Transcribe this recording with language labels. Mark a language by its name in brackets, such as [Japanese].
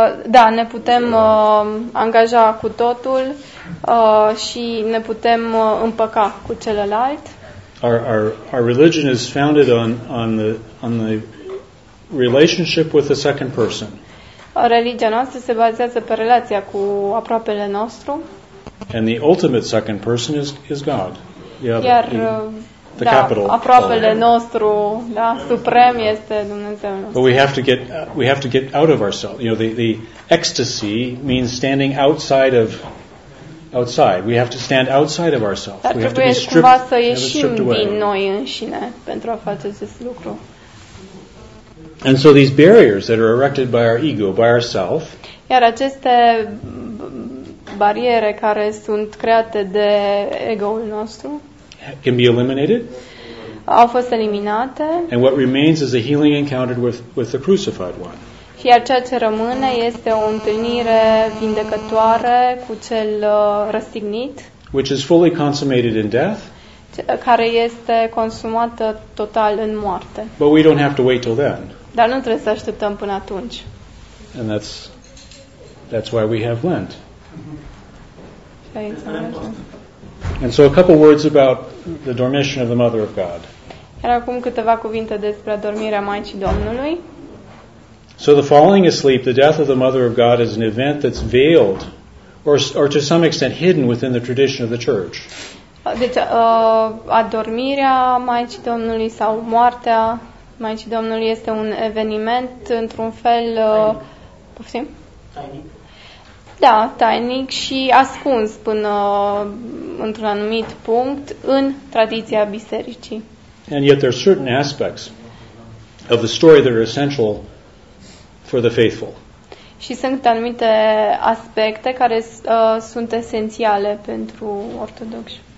[Romanian] Da, ne putem angaja cu totul și ne putem împăca cu celălalt. [English] Our religion is founded on the relationship with the second person. [Romanian] Religia noastră se bazează pe relația cu aproapele nostru. [English] And the ultimate second person is God. [Romanian] Yeah, iar [English] the capital. [Romanian] Aproapele nostru, da, suprem este Dumnezeu. [English] But we have to get out of ourselves. You know, the ecstasy means standing outside. We have to stand outside of ourselves. [Romanian] Dar [English] we have to be stripped, [Romanian] să ieșim [English] stripped away. [Romanian] Din noi înșine pentru a face acest lucru. [English] And so these barriers that are erected by our ego, by ourself. [Romanian] Iar aceste bariere care sunt create de ego-ul nostru. [English] Can be eliminated. [Romanian] Au fost eliminate. [English] And what remains is a healing encounter with the crucified one. [Romanian] Și ceea ce rămâne este o întâlnire vindecătoare cu cel răstignit. [English] Which is fully consummated in death. [Romanian] Care este consumată total în moarte. [English] But we don't have to wait till then. [Romanian] Dar nu trebuie să așteptăm până atunci. [English] And that's why we have Lent. And so a couple words about the dormition of the Mother of God. [Romanian] Iar acum câteva cuvinte despre adormirea Maicii Domnului. [English] So the falling asleep, the death of the Mother of God is an event that's veiled or to some extent hidden within the tradition of the Church. [Romanian] Deci adormirea Maicii Domnului sau moartea Maicii Domnului este un eveniment într-un fel poftim? Da, tainic și ascuns până într-un anumit punct în tradiția bisericii. [English] And yet there are certain aspects of the story that are essential for the faithful. [Romanian] Și sunt anumite aspecte care sunt esențiale pentru ortodoxi.